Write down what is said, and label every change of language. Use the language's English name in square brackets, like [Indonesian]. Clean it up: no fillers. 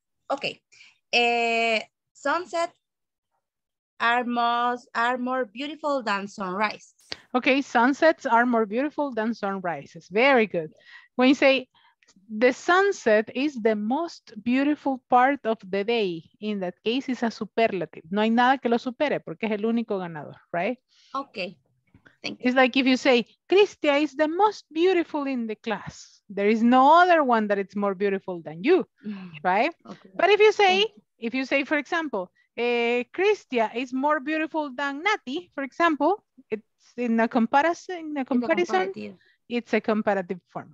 [English] Okay. Sunset are more beautiful than sunrise. Okay, sunsets are more beautiful than sunrises. Very good. When you say the sunset is the most beautiful part of the day, in that case it's a superlative. [Spanish] No hay nada que lo supere porque es el único ganador, right? [English] Okay, thank you. It's like if you say, Cristia is the most beautiful in the class. There is no other one that it's more beautiful than you, right? Okay. But if you say, for example, Cristia is more beautiful than Nati, for example, it's in a comparison, it's a comparative form.